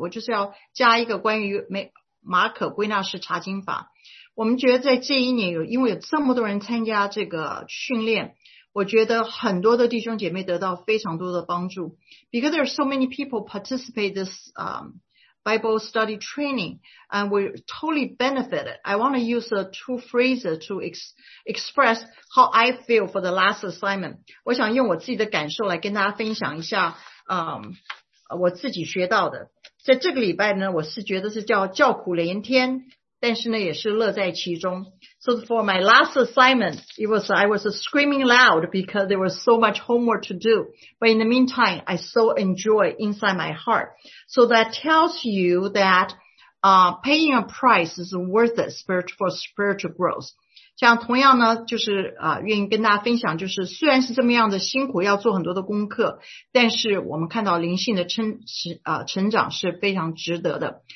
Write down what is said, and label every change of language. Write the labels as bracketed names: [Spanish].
[Chinese] 我就是要加一个关于马可归纳式查经法。我们觉得在这一年有因为有这么多人参加这个训练，我觉得很多的弟兄姐妹得到非常多的帮助。 [English] Because there are so many people participate this Bible study training, and we totally benefited. I want to use two phrases to express how I feel for the last assignment. [Chinese] 我想用我自己的感受来跟大家分享一下我自己学到的。在这个礼拜呢，我是觉得是叫叫苦连天，但是呢也是乐在其中。 [English] So for my last assignment, I was screaming loud because there was so much homework to do. But in the meantime, I so enjoy inside my heart. So that tells you that, paying a price is worth it for spiritual growth. [Chinese] 像同样呢就是愿意跟大家分享就是虽然是这么样的辛苦要做很多的功课，但是我们看到灵性的成长是非常值得的。